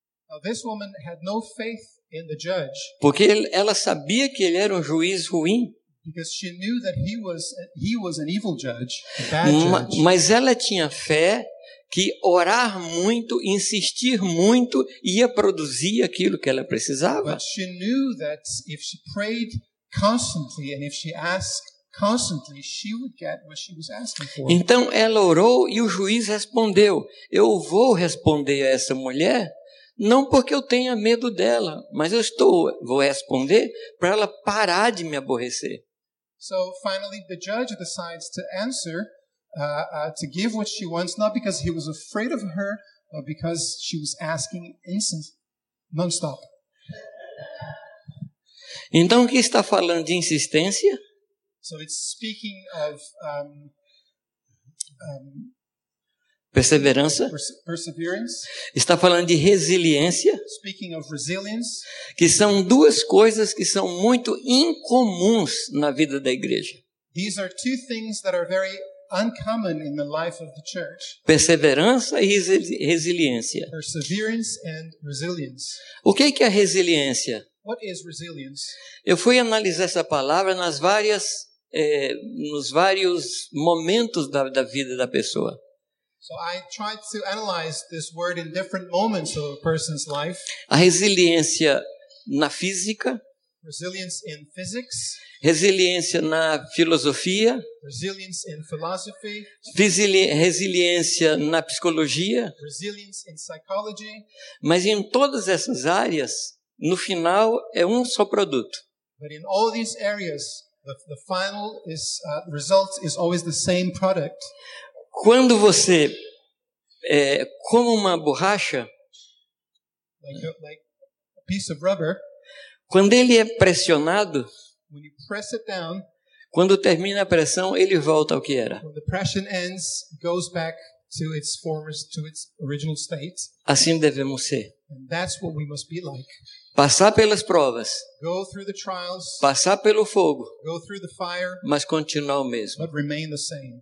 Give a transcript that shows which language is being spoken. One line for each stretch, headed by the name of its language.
English: Now, this woman had no faith in the judge.
Portuguese: Porque ela sabia que ele era um juiz ruim.
English: Because she knew that he was an evil judge, a bad judge.
Portuguese: Mas ela tinha fé que orar muito, insistir muito, ia produzir aquilo que ela precisava.
English: But she knew that if she prayed constantly and if she asked constantly, she would get what she was asking for.
Portuguese: Então ela orou e o juiz respondeu: eu vou responder a essa mulher, não porque eu tenha medo dela, mas eu vou responder para ela parar de me aborrecer.
English: So finally the judge decides to answer. To give what she wants, not because he was afraid of her, but because she was asking non-stop.
Portuguese: Então, o que está falando de insistência?
English: So it's speaking of
Portuguese: perseverança.
English: Perseverance.
Portuguese: Está falando de resiliência.
English: Speaking of resilience.
Portuguese: Que são duas coisas que são muito incomuns na vida da igreja.
English: These are two things that are very uncommon in the life of the church.
Portuguese: Perseverança e resiliência.
English: Perseverance and resilience.
Portuguese: O que é a resiliência?
English: What is resilience?
Portuguese: Eu fui analisar essa palavra nas várias nos vários momentos da vida da pessoa.
English: So I tried to analyze this word in different moments of a person's life.
Portuguese: A resiliência na física.
English: Resilience in physics.
Portuguese: Resiliência na filosofia.
English: Resilience in philosophy.
Portuguese: Resiliência na psicologia.
English: Resilience in psychology.
Portuguese: Mas em todas essas áreas, no final, é um só produto.
English: But in all these areas, the final is, result is always the same product.
Portuguese: Quando você come uma borracha,
English: like a piece of rubber,
Portuguese: quando ele é pressionado,
English: when you press it down,
Portuguese: quando termina a pressão, ele volta ao que era.
English: When the pressure ends, goes back to its former, to its original state.
Portuguese: Assim devemos ser.
English: And that's what we must be like.
Portuguese: Passar pelas provas.
English: Go through the trials.
Portuguese: Passar pelo fogo.
English: Go through the fire.
Portuguese: Mas continuar o mesmo.
English: But remain the same.